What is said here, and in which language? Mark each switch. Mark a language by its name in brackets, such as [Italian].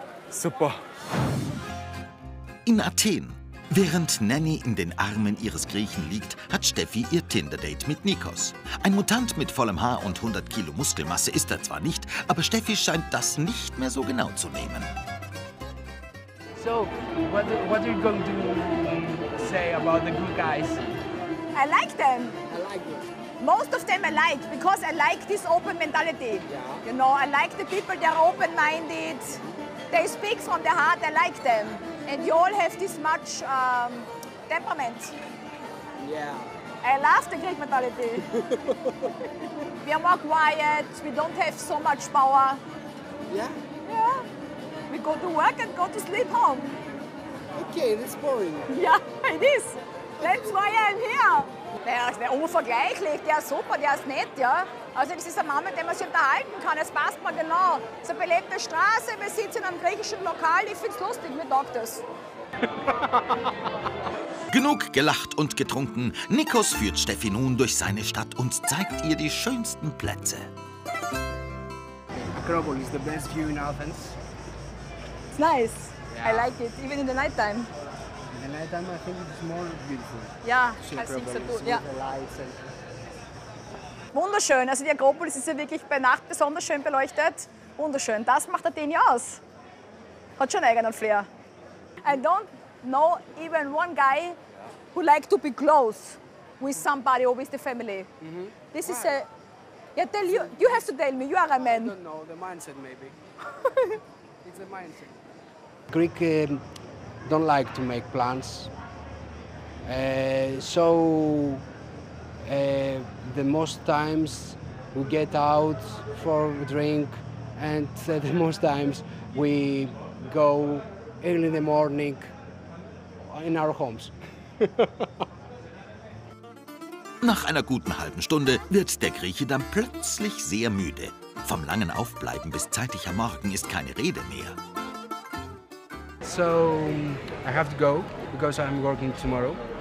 [German] Super. In Athen. Während Nanny in den Armen ihres Griechen liegt, hat Steffi ihr Tinder-Date mit Nikos. Ein Mutant mit vollem Haar und 100 Kilo Muskelmasse ist er zwar nicht, aber Steffi scheint das nicht mehr so genau zu nehmen. [English] So, what are you going to say about the good guys? I like them. I like them. Most of them I like, because I like this open mentality. Yeah. You know, I like the people, they're open-minded. They speak from their heart, I like them. And you all have this much temperament. Yeah. I love the Greek mentality. We are more quiet, we don't have so much power. Yeah? Yeah. We go to work and go to sleep home. Okay, that's boring. Yeah, it is. That's why I'm here. [German] Naja, der ist unvergleichlich, der ist super, der ist nett, ja. Also das ist ein Mann, mit dem man sich unterhalten kann, das passt mir genau. Es ist eine belebte Straße, wir sitzen in einem griechischen Lokal, ich find's lustig, mir taugt das. Genug gelacht und getrunken, Nikos führt Steffi nun durch seine Stadt und zeigt ihr die schönsten Plätze. [English] Akropolis, the best view in Athens. It's nice, yeah. I like it, even in the night time. And I think it's more beautiful. Ja, yeah, yeah. [German] Wunderschön, also die Akropolis ist ja wirklich bei Nacht besonders schön beleuchtet. Wunderschön, das macht Athenia aus. Hat schon eigenen Flair. [English] I don't know even one guy who likes to be close with somebody or with the family. Mm-hmm. This is a... Yeah, tell you, you have to tell me, you are a man. I don't know, the mindset maybe. It's a mindset. Greek... don't like to make plans, the most times we get out for a drink, and the most times we go early in the morning in our homes. [German] Nach einer guten halben Stunde wird der Grieche dann plötzlich sehr müde. Vom langen Aufbleiben bis zeitig am Morgen ist keine Rede mehr. [English] So I have to go because I'm working tomorrow.